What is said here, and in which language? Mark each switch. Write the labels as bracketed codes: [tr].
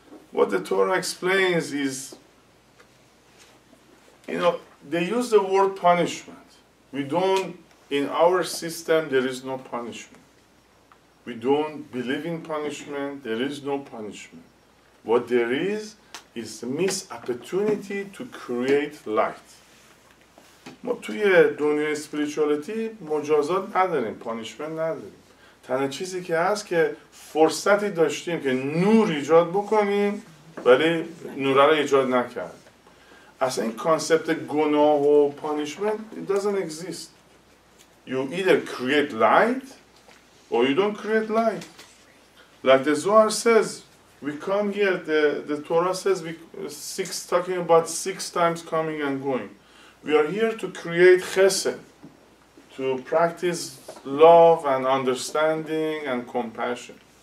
[en] What the Torah explains is, you know, they use the word punishment. We don't, in our system, there is no punishment. We don't believe in punishment. There is no punishment. What there is the missed opportunity to create light. [fa] ما توی دنیا اسپریچوالیتی مجازات نداریم، پانیشمنت نداریم. تنها چیزی که هست که فرصتی داشتیم که نور ایجاد بکنیم ولی نور را ایجاد نکرد. اصلا این کانسپت گناه و پانیشمنت [en] it doesn't exist. You either create light or you don't create light. Like the Zohar says, we come here, the Torah says, talking about six times coming and going. We are here to create chesed, to practice love and understanding and compassion.